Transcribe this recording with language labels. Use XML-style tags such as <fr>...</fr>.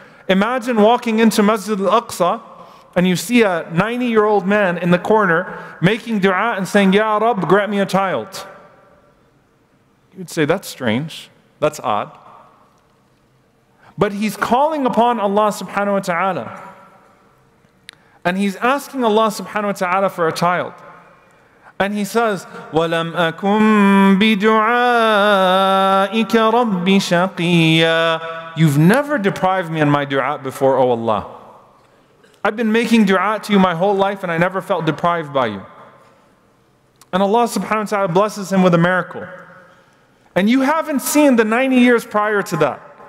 <en>Imagine walking into Masjid al-Aqsa and you see a 90-year-old man in the corner making dua and saying,</en> <ar>Ya Rab,</ar> <en>grant me a child. You'd say, that's strange. That's odd. But he's calling upon Allah subhanahu wa ta'ala. And he's asking Allah subhanahu wa ta'ala for a child. And he says,</en> <ar>وَلَمْ أَكُمْ بِدُعَائِكَ رَبِّ شَقِيًّا.</ar> <en>You've never deprived me in my dua before, O Allah. I've been making dua to you my whole life and I never felt deprived by you. And Allah subhanahu wa ta'ala blesses him with a miracle. And you haven't seen the 90 years prior to that.</en>